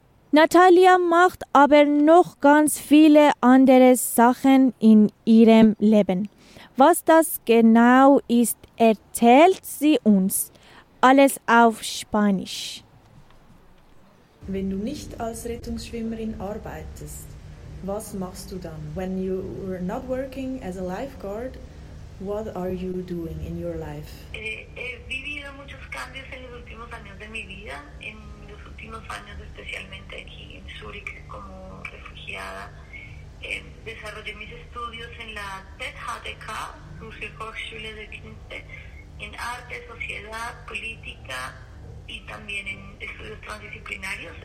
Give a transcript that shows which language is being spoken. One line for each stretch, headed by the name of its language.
German: Natalia macht aber noch ganz viele andere Sachen in ihrem Leben. Was das genau ist, erzählt sie uns. Alles auf Spanisch. Wenn du nicht als Rettungsschwimmerin arbeitest, was machst du dann?
English: When you are not working as a lifeguard, what are you doing in your life?
Spanish: He vivido muchos cambios en los últimos años de mi vida, en los últimos años especialmente aquí en Zurich como refugiada. Desarrollé mis estudios en la ZHDK, Zürcher Hochschule der Künste, en arte, sociedad, política y también en estudios transdisciplinarios.